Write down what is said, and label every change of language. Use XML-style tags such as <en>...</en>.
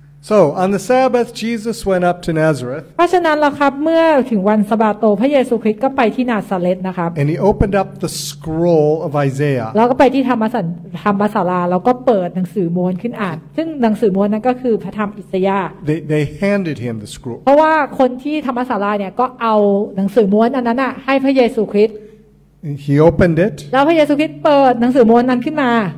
<en>So on the Sabbath Jesus went up to Nazareth.</en> <th>เพราะฉะนั้นล่ะครับเมื่อถึงวันสะบาโตพระเยซูคริสต์ก็ไปที่นาซาเรตนะครับ</th> <en>And he opened up the scroll of Isaiah.</en> <th>แล้วก็ไปที่ธรรมศาลาแล้วก็เปิดหนังสือม้วนขึ้นอ่านซึ่งหนังสือม้วนนั้นก็คือพระธรรมอิสยาห์</th> <en>They handed him the scroll.</en> <th>เพราะว่าคนที่ธรรมศาลาเนี่ยก็เอาหนังสือม้วนอันนั้นน่ะให้พระเยซูคริสต์</th> <en>He opened it.</en> <th>แล้วพระเยซูคริสต์เปิดหนังสือม้วนนั้นขึ้นมา</th>